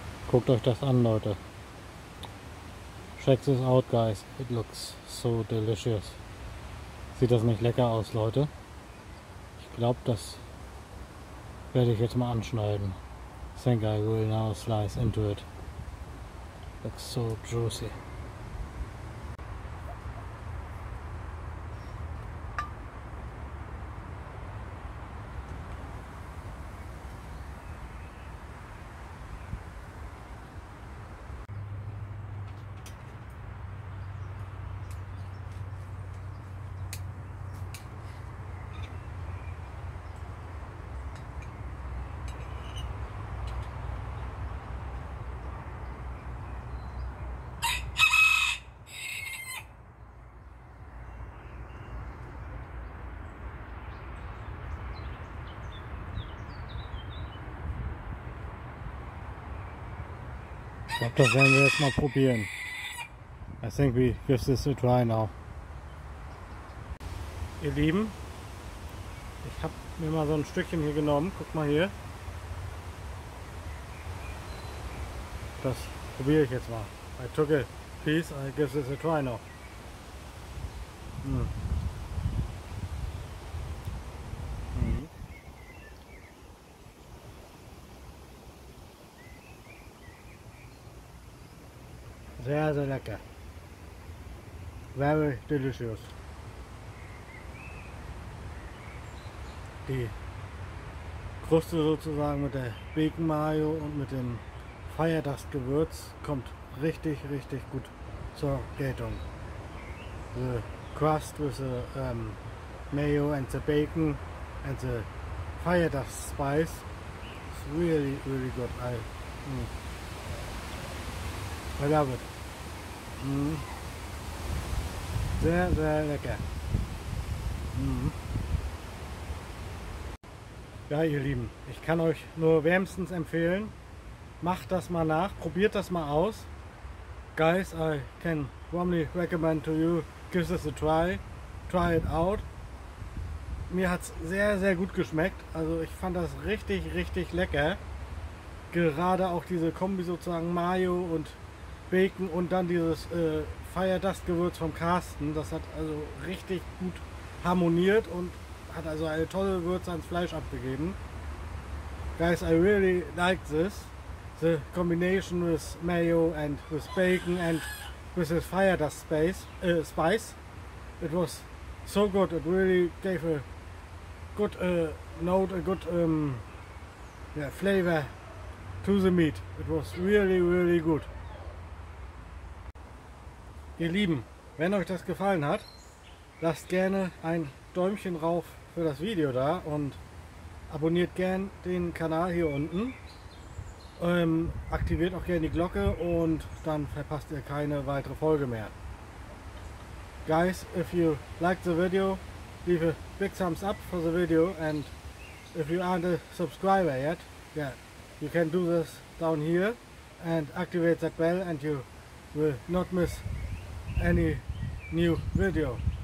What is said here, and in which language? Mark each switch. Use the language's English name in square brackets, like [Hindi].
[German] Guckt euch das an, Leute. [English] Check this out, guys. It looks so delicious. [German] Sieht das nicht lecker aus, Leute? Ich glaube, das werde ich jetzt mal anschneiden. [English] I think I will now slice into it. Looks so juicy. [German] Ich glaube, das werden wir jetzt mal probieren. [English] I think we give this a try now. [German] Ihr Lieben, ich habe mir mal so ein Stückchen hier genommen. Guck mal hier. Das probiere ich jetzt mal. [English] I took a piece, I give this a try now. [German] Sehr, sehr lecker. [English] Very delicious. [German] Die Kruste sozusagen mit der Bacon Mayo und mit dem Feierdust Gewürz kommt richtig, richtig gut zur Geltung. [English] The crust with the mayo and the bacon and the Feierdust spice is really, really good. I love it. [German] Sehr, sehr lecker. Ja, ihr Lieben, ich kann euch nur wärmstens empfehlen, macht das mal nach, probiert das mal aus. [English] Guys, I can warmly recommend to you, give this a try, try it out. [German] Mir hat es sehr, sehr gut geschmeckt. Also ich fand das richtig, richtig lecker. Gerade auch diese Kombi sozusagen Mayo und Bacon und dann dieses Fire Dust Gewürz vom Carsten. Das hat also richtig gut harmoniert und hat also eine tolle Würze ans Fleisch abgegeben. [English] Guys, I really like this. The combination with mayo and with bacon and with this Fire Dust spice. It was so good. It really gave a good note, a good flavor to the meat. It was really, really good. [German] Ihr Lieben, wenn euch das gefallen hat, lasst gerne ein Däumchen rauf für das Video da und abonniert gern den Kanal hier unten. Aktiviert auch gerne die Glocke und dann verpasst ihr keine weitere Folge mehr. [English] Guys, if you like the video, leave a big thumbs up for the video and if you aren't a subscriber yet, yeah, you can do this down here and activate that bell and you will not miss any new video.